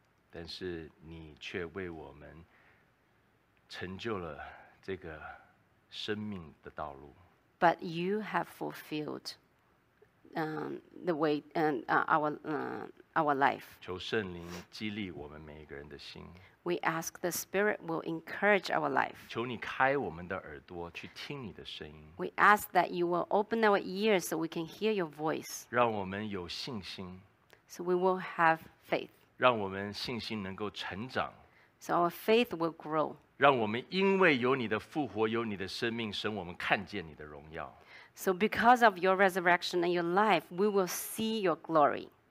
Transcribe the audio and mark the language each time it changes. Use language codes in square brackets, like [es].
[zh] 但是你却为我们成就了这个生命的道路。 [en] But you have fulfilled the way and our life. [zh] 求圣灵激励我们每一个人的心。 [en] We ask the Spirit will encourage our life. [zh] 求你开我们的耳朵去听你的声音。 [en] We ask that you will open our ears so we can hear your voice. [zh] 让我们有信心。 [en] So we will have faith. [zh] 让我们信心能够成长。 [en] So our faith will grow. [zh] 让我们因为有你的复活，有你的生命，神，我们看见你的荣耀。 [en] So because of your resurrection and your life, we will see your glory.